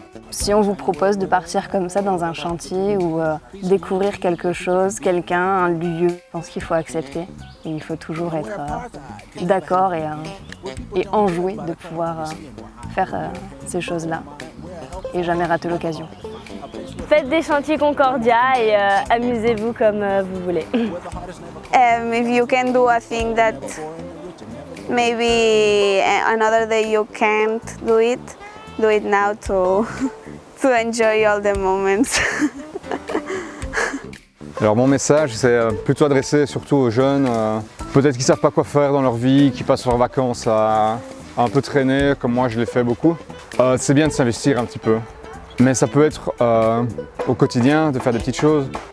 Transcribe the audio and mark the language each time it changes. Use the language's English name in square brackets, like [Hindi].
[French] Si on vous propose de partir comme ça dans un chantier ou découvrir quelque chose, quelqu'un, un lieu, je pense qu'il faut accepter. Et il faut toujours être d'accord et enjoué de pouvoir faire ces choses-là et jamais rater l'occasion. Faites des chantiers Concordia et amusez-vous comme vous voulez. [English] If you can do a thing that maybe another day you can't do it now to enjoy all the moments. [French] Alors mon message, c'est plutôt adressé surtout aux jeunes, peut-être qui savent pas quoi faire dans leur vie, qui passent leurs vacances à un peu traîner, comme moi je l'ai fait beaucoup. C'est bien de s'investir un petit peu, mais ça peut être au quotidien de faire des petites choses.